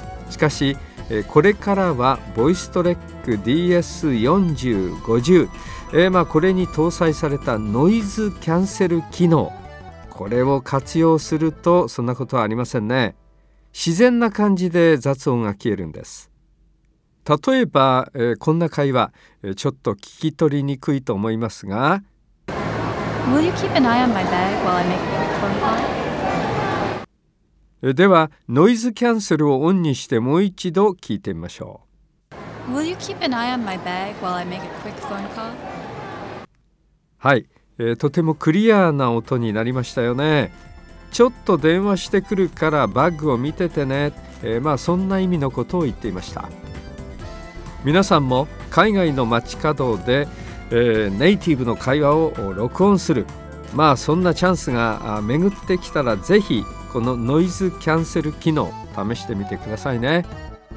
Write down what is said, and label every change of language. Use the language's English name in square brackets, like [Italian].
[Japanese] しかし、これからはボイストレック DS4050、まあこれに搭載されたノイズキャンセル機能、これを活用するとそんなことはありませんね。自然な感じで雑音が消えるんです。例えば、こんな会話、ちょっと聞き取りにくいと思いますが、 [English] Will you keep an eye on my bag while I make a quick phone call? [Japanese] ではノイズキャンセルをオンにしてもう一度聞いてみましょう。 [English] Will you keep an eye on my bag while I make a quick phone call? [Japanese] はい、とてもクリアーな音になりましたよね。ちょっと電話してくるからバッグを見ててね、まあそんな意味のことを言っていました。皆さんも海外の街角で、ネイティブの会話を録音する、まあそんなチャンスが巡ってきたら、ぜひこのノイズキャンセル機能試してみてくださいね。